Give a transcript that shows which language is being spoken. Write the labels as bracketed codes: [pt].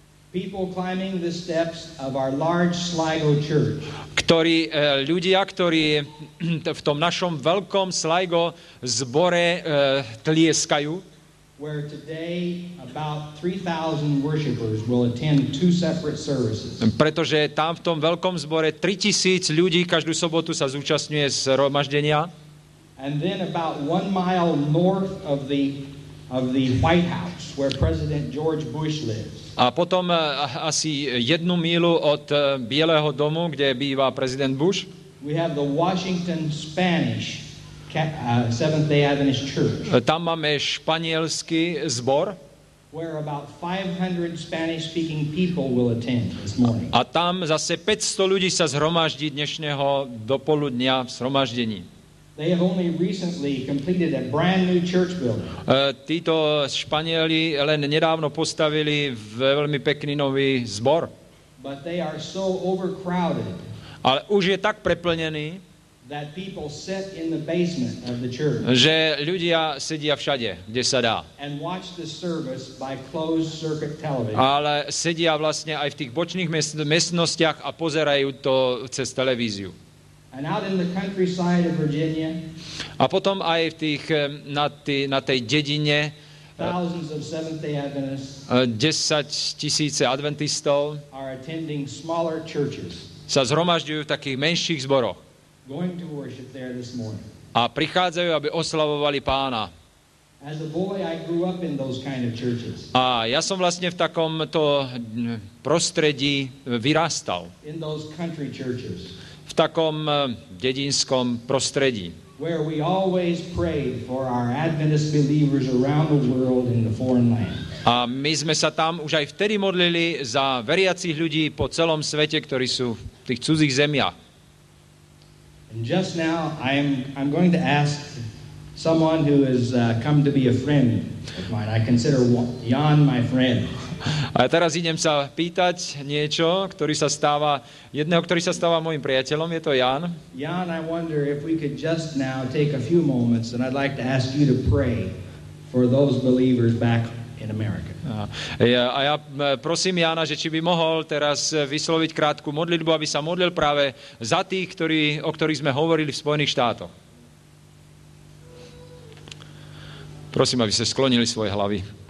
[en] people climbing the steps of our large Sligo church. [sk] ktorí ľudia, ktorí v tom našom veľkom Sligo zbore tlieskajú. [en] Where today about 3,000 worshipers will attend two separate services. [sk] Pretože tam v tom veľkom zbore 3,000 ľudí každú sobotu sa zúčastňuje zhromaždenia. [en] And then about 1 mile north of the White House, where President George Bush lives. [sk] A potom asi jednu mílu od Bieleho domu, kde býva prezident Bush. [en] We have the Washington Spanish Seventh-day Adventist Church. [sk] Tam máme španielský zbor. [en] Where about 500 Spanish-speaking people will attend this morning. [sk] A tam zase 500 ľudí sa zhromaždí dnešného dopoludnia v zhromaždení. [en] They have only recently completed a brand new church building. [sk] Títo Španieli len nedávno postavili veľmi pekný nový zbor. [en] But they are so overcrowded. [sk] Ale už je tak preplnený, [en] that people sit in the basement of the church. [sk] Že ľudia sedia všade, kde sa dá. [en] And watch the service by closed circuit television. [sk] Ale sedia vlastne aj v tých bočných miestnostiach a pozerajú to cez televíziu. [en] And out in the countryside of Virginia. [sk] A potom aj v tých na tej dedine. [en] Thousands of Seventh-day Adventists. [sk] 10,000 adventistov. [en] Are attending smaller churches. [sk] Sa zhromažďujú v takých menších zboroch. [en] Going to worship there this morning. [sk] A prichádzajú, aby oslavovali Pána. [en] As a boy, I grew up in those kind of churches. [sk] A ja som vlastne v takomto prostredí vyrastal. [en] In those country churches. [sk] V takom dedinskom prostredí. [en] Where we always prayed for our Adventist believers around the world in the foreign land. [sk] A my sme sa tam už aj vtedy modlili za veriacich ľudí po celom svete, ktorí sú v tých cudzích zemiach. [en] Just now I'm going to ask someone who has come to be a friend of mine. I consider Jan my friend. [sk] A teraz idem sa pýtať niečo, ktorý sa stáva môjim priateľom, je to Jan. [en] Jan, I wonder if we could just now take a few moments and I'd like to ask you to pray for those believers back in America. [sk] A ja prosím Jana, že či by mohol teraz vysloviť krátku modlitbu, aby sa modlil práve za tých, o ktorých sme hovorili v Spojených štátoch. Prosím, aby ste sklonili svoje hlavy.